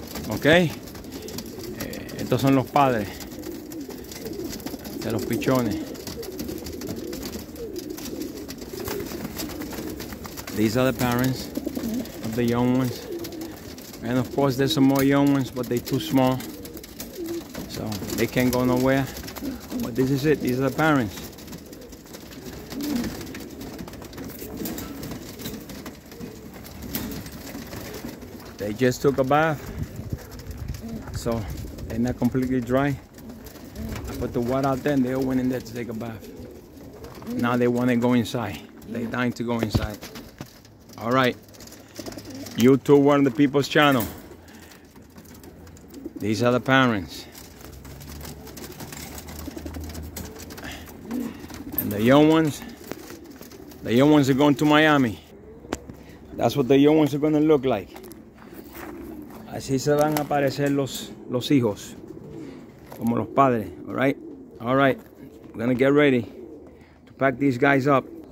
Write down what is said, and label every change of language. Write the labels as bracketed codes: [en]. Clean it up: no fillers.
[es] Okay, estos son los padres de los pichones. [en] These are the parents of the young ones. And of course there's some more young ones, but they're too small. So they can't go nowhere. But this is it, these are the parents. They just took a bath. So they're not completely dry. I put the water out there and they all went in there to take a bath. Now they want to go inside. They're dying to go inside. All right, YouTube One of the People's Channel. These are the parents. And the young ones are going to Miami. That's what the young ones are going to look like. [es] Así se van a aparecer los hijos, como los padres, [en] all right? All right, we're going to get ready to pack these guys up.